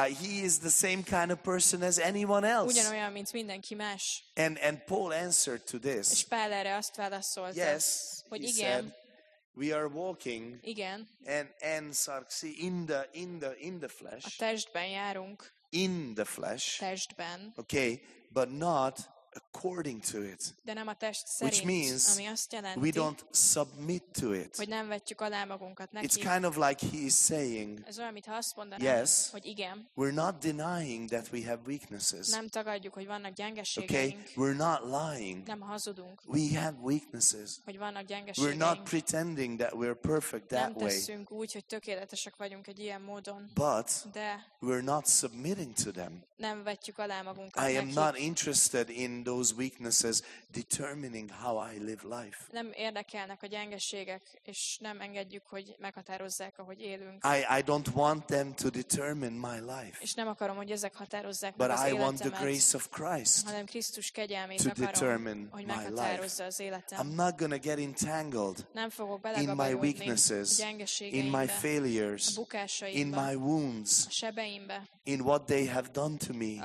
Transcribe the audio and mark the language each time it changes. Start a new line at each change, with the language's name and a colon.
English: He is the same kind of person as anyone else.
Hungarian: Ugyanolyan, mint mindenki más.
English: And Paul answered to this.
Hungarian: És Pál erre azt válaszolta,
English: yes,
Hungarian: hogy
English: he
Hungarian: igen,
English: said, we are walking.
Hungarian: Igen.
English: And sarxi in the flesh.
Hungarian: A testben járunk.
English: In the flesh.
Hungarian: Testben.
English: Okay, but not according to it.
Hungarian: De nem a test szerint,
English: which means
Hungarian: ami azt jelenti,
English: we don't submit to it.
Hungarian: Hogy nem vetjük alá magunkat neki.
English: It's kind of like he is saying,
Hungarian: ez olyan, mint ha azt mondaná,
English: yes,
Hungarian: hogy igen,
English: we're not denying that we have weaknesses.
Hungarian: Nem tagadjuk, hogy vannak gyengeségeink.
English: Okay? We're not lying.
Hungarian: Nem hazudunk.
English: We have weaknesses.
Hungarian: Hogy vannak gyengeségeink.
English: We're not pretending that we're perfect that way.
Hungarian: Nem teszünk úgy, hogy tökéletesek vagyunk egy ilyen módon.
English: But
Hungarian: de
English: we're not submitting to them.
Hungarian: Nem vetjük alá magunkat neki.
English: I am not interested in those weaknesses determining how I live life.
Hungarian: Nem érdekelnek a gyengeségek, és nem engedjük, hogy meghatározzák, ahogy élünk.
English: I don't want them to determine my life.
Hungarian: És nem akarom, hogy ezek határozzák meg az életemet.
English: But I want the grace of Christ
Hungarian: hanem Krisztus kegyelmét
English: to determine
Hungarian: akarom, hogy meghatározza az életem.
English: I'm not gonna get entangled
Hungarian: nem fogok
English: in my weaknesses, in my failures,
Hungarian: a bukásaimba,
English: in my wounds,
Hungarian: a sebeimbe,
English: in what they have done to me.